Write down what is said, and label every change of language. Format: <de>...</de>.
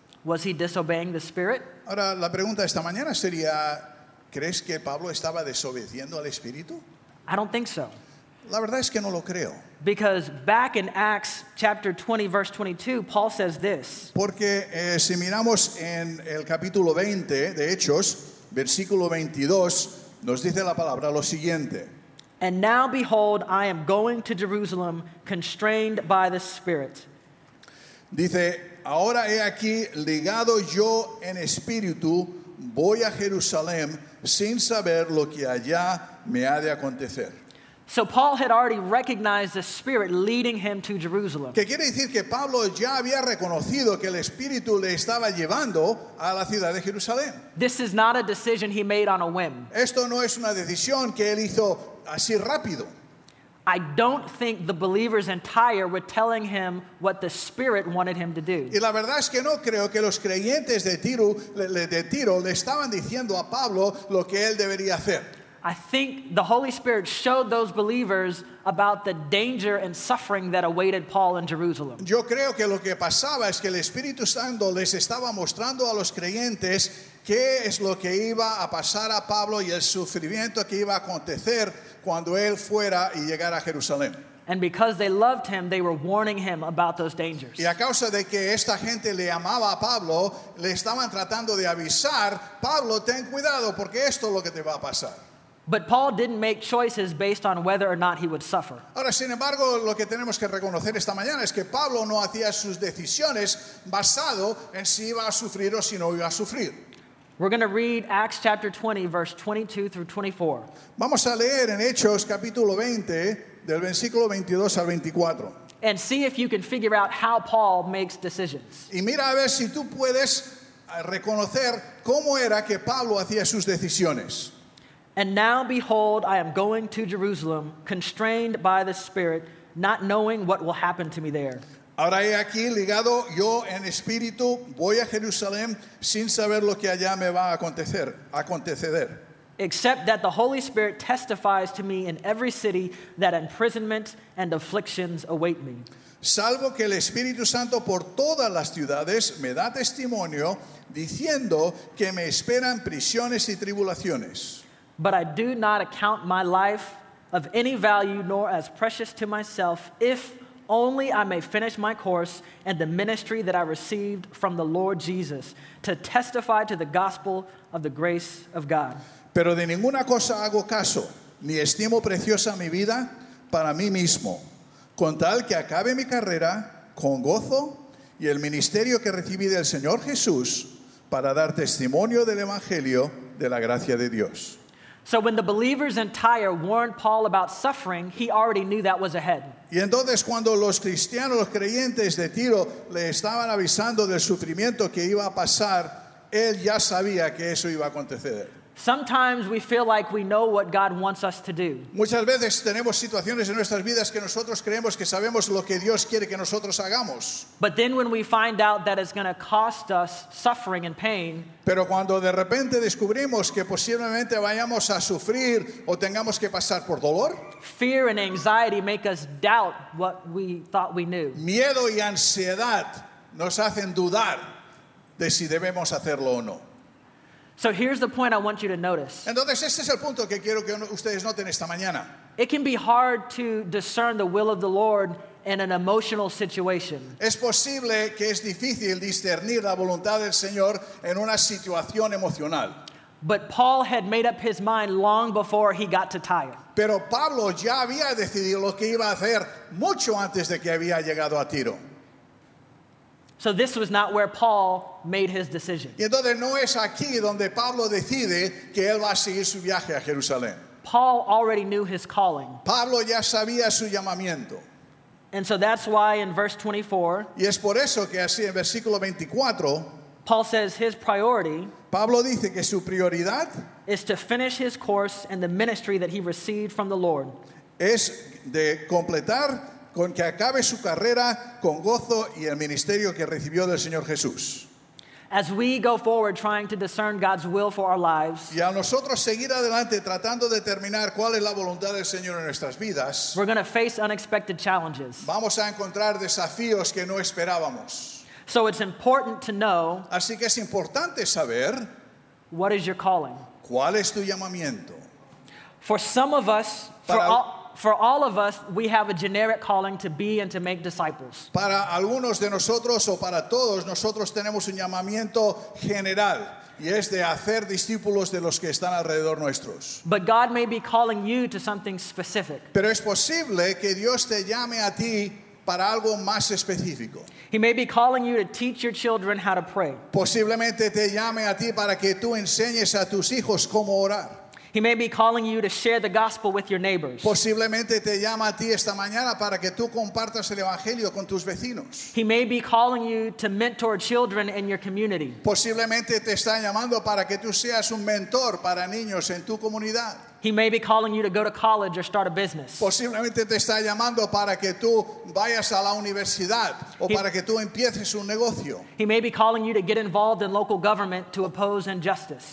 <en>Was he disobeying the Spirit?</en> <es>Ahora, la pregunta esta mañana sería, ¿crees que Pablo estaba desobedeciendo al Espíritu?</es> <en>I don't think so.</en> <es>La verdad es que no lo creo.</es> <en>Because back in Acts chapter 20, verse 22, Paul says this.</en> <es>Porque si miramos en el capítulo 20 de Hechos, versículo 22, nos dice la palabra lo siguiente.</es> <en>And now behold, I am going to Jerusalem, constrained by the Spirit.</en> <es>Dice, ahora he aquí, ligado yo en espíritu, voy a Jerusalén sin saber lo que allá me ha de acontecer.</es> <en>So Paul had already recognized the Spirit leading him to Jerusalem.</en> <es>¿Qué quiere decir? Que Pablo ya había reconocido que el Espíritu le estaba llevando a la ciudad de Jerusalén.</es> <en>This is not a decision he made on a whim.</en> <es>Esto no es una decisión que él hizo así rápido.</es> <en>I don't think the believers in Tyre were telling him what the Spirit wanted him to do.</en> <es>Y la verdad es que no creo que los creyentes de Tiro le estaban diciendo a Pablo lo que él debería hacer.</es> <en>I think the Holy Spirit showed those believers about the danger and suffering that awaited Paul in Jerusalem.</en> <es>Yo creo que lo que pasaba es que el Espíritu Santo les estaba mostrando a los creyentes qué es lo que iba a pasar a Pablo y el sufrimiento que iba a acontecer cuando él fuera y llegara a Jerusalén.</es> <en>And because they loved him, they were warning him about those dangers.</en> <es>Y a causa de que esta gente le amaba a Pablo, le estaban tratando de avisar, Pablo, ten cuidado porque esto es lo que te va a pasar.</es> <en>But Paul didn't make choices based on whether or not he would suffer.</en> <es>Ahora, sin embargo, lo que tenemos que reconocer esta mañana es que Pablo no hacía sus decisiones basado en si iba a sufrir o si no iba a sufrir.</es> <en>We're going to read Acts chapter 20, verse 22 through 24.</en> <es>Vamos a leer en Hechos capítulo 20, del versículo 22 al 24.</es> <en>And see if you can figure out how Paul makes decisions.</en> <es>Y mira a ver si tú puedes reconocer cómo era que Pablo hacía sus decisiones.</es> <en>And now behold, I am going to Jerusalem, constrained by the Spirit, not knowing what will happen to me there.</en> <es>Ahora he aquí ligado, yo en espíritu voy a Jerusalén sin saber lo que allá me va a acontecer.</es> <en>Except that the Holy Spirit testifies to me in every city that imprisonment and afflictions await me.</en> <es>Salvo que el Espíritu Santo por todas las ciudades me da testimonio, diciendo que me esperan prisiones y tribulaciones.</es> <en>But I do not account my life of any value nor as precious to myself, if only I may finish my course and the ministry that I received from the Lord Jesus to testify to the gospel of the grace of God.</en> <es>Pero de ninguna cosa hago caso, ni estimo preciosa mi vida para mí mismo, con tal que acabe mi carrera con gozo y el ministerio que recibí del Señor Jesús para dar testimonio del Evangelio de la gracia de Dios.</es> <en>So when the believers in Tyre warned Paul about suffering, he already knew that was ahead.</en> <es>Y entonces cuando los cristianos, los creyentes de Tiro, le estaban avisando del sufrimiento que iba a pasar, él ya sabía que eso iba a acontecer.</es> <en>Sometimes we feel like we know what God wants us to do.</en> <es>Muchas veces tenemos situaciones en nuestras vidas que nosotros creemos que sabemos lo que Dios quiere que nosotros hagamos.</es> <en>But then when we find out that it's going to cost us suffering and pain,</en> <es>pero cuando de repente descubrimos que posiblemente vayamos a sufrir o tengamos que pasar por dolor,</es> <en>fear and anxiety make us doubt what we thought we knew.</en> <es>Miedo y ansiedad nos hacen dudar de si debemos hacerlo o no.</es> <en>So here's the point I want you to notice.</en> <es>Entonces, este es el punto que quiero que ustedes noten esta mañana.</es> <en>It can be hard to discern the will of the Lord in an emotional situation.</en> <es>Es posible que es difícil discernir la voluntad del Señor en una situación emocional.</es> <en>But Paul had made up his mind long before he got to Tyre.</en> <es>Pero Pablo ya había decidido lo que iba a hacer mucho antes de que había llegado a Tiro.</es> <en>So this was not where Paul made his decision.</en> <es>Y entonces no es aquí donde Pablo decide que él va a seguir su viaje a Jerusalén.</es> <en>Paul already knew his calling.</en> <es>Pablo ya sabía su llamamiento.</es> <en>And so that's why in verse 24,</en> <es>y es por eso que así en versículo 24,</es> <en>Paul says his priority,</en> <es>Pablo dice que su prioridad,</es> <en>is to finish his course and the ministry that he received from the Lord.</en> <es>Es de completar con que acabe su carrera con gozo y el ministerio que recibió del Señor Jesús.</es> <en>As we go forward trying to discern God's will for our lives,</en> <es>y a nosotros seguir adelante tratando de determinar cuál es la voluntad del Señor en nuestras vidas,</es> <en>we're going to face unexpected challenges.</en> <es>Vamos a encontrar desafíos que no esperábamos.</es> <en>So it's important to know,</en> <es>así que es importante saber,</es> <en>what is your calling?</en> <es>¿Cuál es tu llamamiento?</es> <en>For some of us, For all of us, we have a generic calling to be and to make disciples.</en> <es>Para algunos de nosotros o para todos, nosotros tenemos un llamamiento general y es de hacer discípulos de los que están alrededor nuestros.</es> <en>But God may be calling you to something specific.</en> <es>Pero es posible que Dios te llame a ti para algo más específico.</es> <en>He may be calling you to teach your children how to pray.</en> <es>Posiblemente te llame a ti para que tú enseñes a tus hijos cómo orar.</es> <en>He may be calling you to share the gospel with your neighbors.</en> <es>Posiblemente te llama a ti esta mañana para que tú compartas el evangelio con tus vecinos.</es> <en>He may be calling you to mentor children in your community.</en> <es>Posiblemente te está llamando para que tú seas un mentor para niños en tu comunidad.</es> <en>He may be calling you to go to college or start a business.</en> <es>Posiblemente te está llamando para que tú vayas a la universidad o para que tú empieces un negocio.</es> <en>He may be calling you to get involved in local government to oppose injustice.</en>